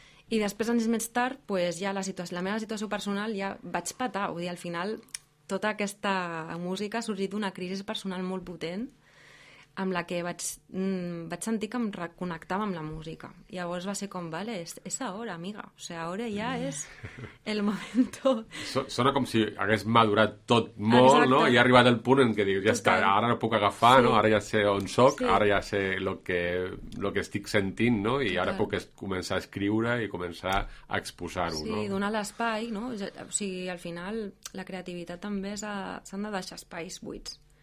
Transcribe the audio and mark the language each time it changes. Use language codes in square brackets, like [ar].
[ca] I després, anys més tard, pues, ja la meva situació personal ja vaig patar. Vull dir, al final, tota aquesta música ha sorgit d'una crisi personal molt potent amb la que vaig sentir que em reconnectava amb la música. Llavors va ser com, vale, és [es] ahora, amiga. O sea, ahora ya es el momento. [ca] Sona com si hagués madurat tot molt, exacte, no? I ha arribat el punt en què dius, ja està, ara no puc agafar, sí, no? Ara ja sé on soc, sí, ara ja sé lo que estic sentint, no? I ara puc començar a escriure i començar a exposar-ho, sí, no? Sí, donar l'espai, no? O sigui, al final, la creativitat també s'han de deixar espais buits.